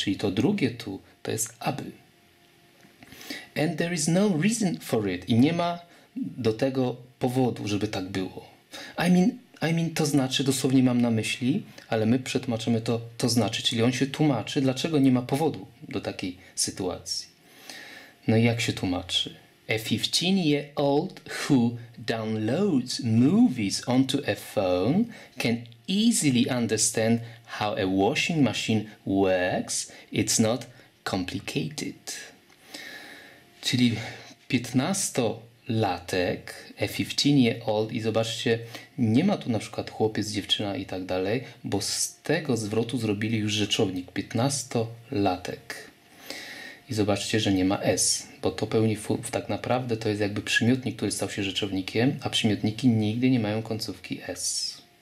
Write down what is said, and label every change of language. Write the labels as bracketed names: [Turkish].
[Polish] Czyli to drugie tu to jest aby. [English] And there is no reason for it. [Polish] I nie ma do tego powodu, żeby tak było. [English] I mean, [Polish] to znaczy, dosłownie mam na myśli, ale my przetłumaczymy to znaczy. Czyli on się tłumaczy, dlaczego nie ma powodu do takiej sytuacji. No i jak się tłumaczy? [English] A 15-year-old who downloads movies onto a phone can easily understand how a washing machine works. It's not complicated. Czyli [Polish] 15-latek, [English] a 15-year-old, [Polish] i zobaczcie, nie ma tu na przykład chłopiec, dziewczyna i tak dalej, bo z tego zwrotu zrobili już rzeczownik, 15-latek. I zobaczcie, że nie ma s, bo to pełni tak naprawdę to jest jakby przymiotnik, który stał się rzeczownikiem, a przymiotniki nigdy nie mają końcówki s.